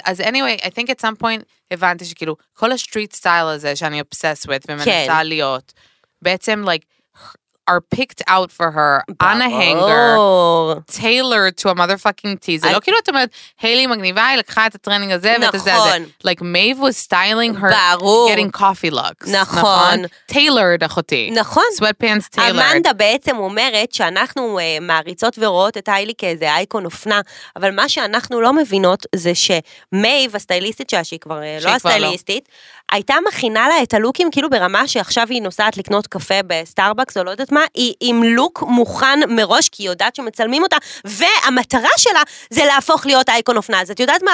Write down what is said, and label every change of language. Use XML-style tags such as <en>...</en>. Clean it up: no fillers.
<he>אז</he> <en>anyway, I think at some point,</en> <he>הבנתי שכאילו, כל</he> <en>ה-street style</en> <he>הזה שאני</he> <en>obsessed with,</en> <he>ומנסה להיות, בעצם,</he> <en>like, are picked out for her on a hanger, tailored to a motherfucking tee.</en> <he>זה לא כאילו את אומרת, היילי מגניבה, היא לקחה את הטרנינג הזה, ואת זה, זה.</he> <en>Like, Maeve was styling her getting coffee looks.</en> <he>נכון.</he> <en>Tailored,</en> <he>אחותי. נכון.</he> <en>Sweatpants tailored.</en> <he>אמנדה בעצם אומרת שאנחנו מעריצות ורואות את היילי כאיזה אייקון אופנה, אבל מה שאנחנו לא מבינות זה שמייב, הסטייליסטית שלה, שהיא כבר לא הסטייליסטית, הייתה מכינה לה את הלוקים, כאילו ברמה שעכשיו היא נוסעת לקנות קפה בסטארבקס, או לא יודעת מה, היא עם לוק מוכן מראש, כי היא יודעת שמצלמים אותה, והמטרה שלה זה להפוך להיות אייקון אופנה. אז את יודעת מה?</he>